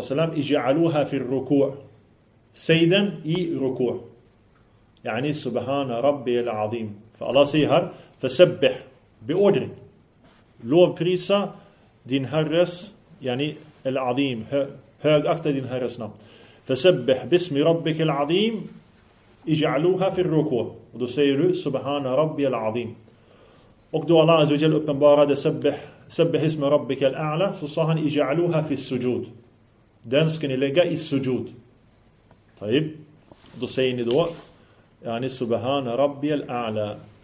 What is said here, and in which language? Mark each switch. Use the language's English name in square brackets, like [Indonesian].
[Arabic] اِجْعَلُوهَا فِي الرُّكُوعِ, [Swedish] säg den i rukur. [Arabic] Yani subhana rabbi al-azim. [Swedish] För Allah säger här فَسَبِّحْ, beordring, lovprisa din herres, yani al-azim, högakta din herres namn. [Arabic] فَسَبِّحْ بِسْمِ رَبِّكَ الْعَظِيمِ اجعلوها في الركوع. [Swedish] Och då säger du [Arabic] subhana rabbi al-azim. [Swedish] Och då Allah Azza wa Jalla uppenbarade [Arabic] sabbih isma rabbika al-a'la, [Swedish] så sa han [Arabic] اجعلوها في السجود, [Swedish] den ska ni lägga i sujud. طيب, då säger ni då yani [Arabic] subhana rabbi al-a'la.